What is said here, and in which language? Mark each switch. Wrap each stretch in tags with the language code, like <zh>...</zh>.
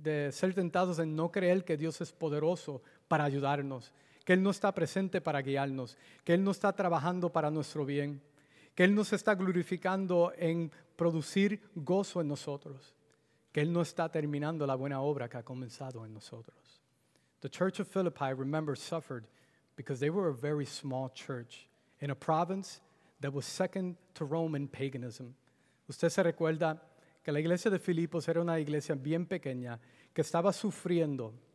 <es>ser tentados en no creer que Dios es poderoso para ayudarnos, que Él no está presente para guiarnos, que Él no está trabajando para nuestro bien, que Él no se está glorificando en producir gozo en nosotros, que Él no está terminando la buena obra que ha comenzado en nosotros.</es> <en>The church of Philippi, remember, suffered because they were a very small church in a province that was second to Rome in paganism.</en> <es>Usted se recuerda que la iglesia de Filipos era una iglesia bien pequeña que estaba sufriendo.</es>